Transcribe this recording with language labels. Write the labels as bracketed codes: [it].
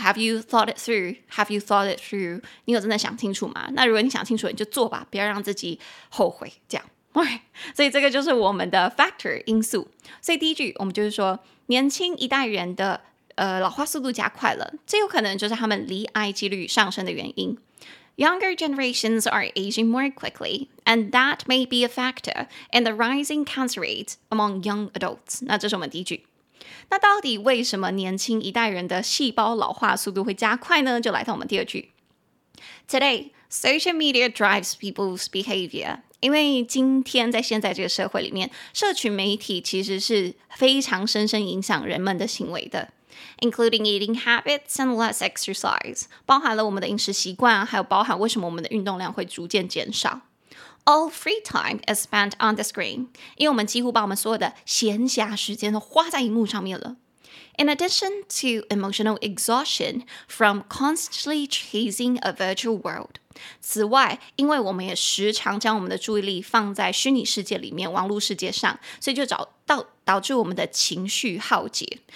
[en] Have you thought it through? [zh] 你有真的想清楚吗？那如果你想清楚你就做吧，不要让自己后悔这样。 [en] Alright, [zh] 所以这个就是我们的 factor 因素。所以第一句我们就是说年轻一代人的老化速度加快了，这有可能就是他们离癌几率上升的原因。 [en] Younger generations are aging more quickly and that may be a factor in the rising cancer rate among young adults. [zh] 那这是我们第一句。那到底为什么年轻一代人的细胞老化速度会加快呢？就来到我们第二句。 [en] Today, social media drives people's behavior. [zh] 因为今天在现在这个社会里面，社群媒体其实是非常深深影响人们的行为的。 [en] Including eating habits and less exercise. [zh] 包含了我们的饮食习惯，还有包含为什么我们的运动量会逐渐减少。 [en] All free time is spent on the screen. [zh] 因为我们几乎把我们所有的闲暇时间都花在荧幕上面了。 [en] In addition to emotional exhaustion from constantly chasing a virtual world. [zh] 此外，因为我们也时常将我们的注意力放在虚拟世界里面，网络世界上，所以就导致我们的情绪耗竭。